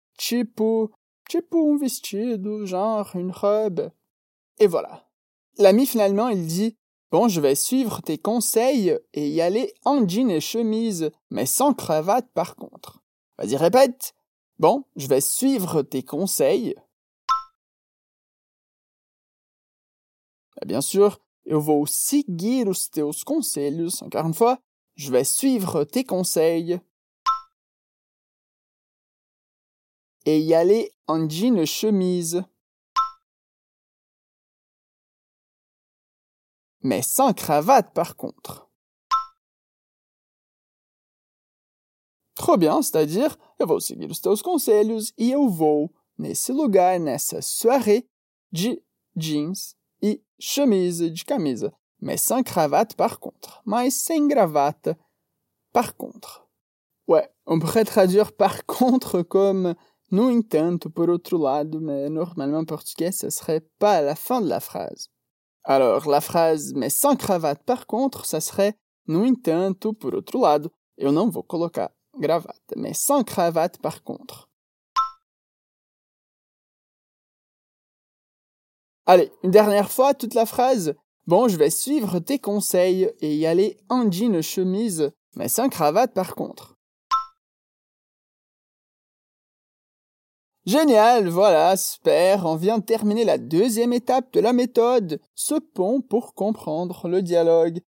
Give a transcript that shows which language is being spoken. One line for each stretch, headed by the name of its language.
Portuguese: Tipo un vestido,
French: genre une robe. Et voilà. L'ami, finalement, il dit, bon, je vais suivre tes conseils et y aller en jean et chemise, mais sans cravate par contre. Vas-y, répète. Bon, je vais suivre tes conseils. Bien sûr,
Portuguese: eu vou seguir os teus conselhos.
French: Encore une fois, je vais suivre tes conseils. Et y aller en jean et chemise. Mais sans cravate, par contre. Trop bien, c'est-à-dire,
Portuguese: eu vou seguir os teus conselhos e eu vou nesse lugar, nessa soirée, de jeans e chemise, de camisa.
French: Mais sans cravate, par contre.
Portuguese: Mas sem gravata,
French: par contre. Ouais, on pourrait traduire par contre comme
Portuguese: no entanto, por outro lado,
French: mais normalement en portugais, ça serait pas à la fin de la phrase. Alors, la phrase mais sans cravate, par contre, ça serait
Portuguese: no entanto, por outro lado. Eu não vou colocar gravata,
French: mais sans cravate, par contre. Allez, une dernière fois, toute la phrase. Bon, je vais suivre tes conseils et y aller en jean chemise, mais sans cravate par contre. Génial, voilà, super. On vient de terminer la deuxième étape de la méthode, ce pont pour comprendre le dialogue.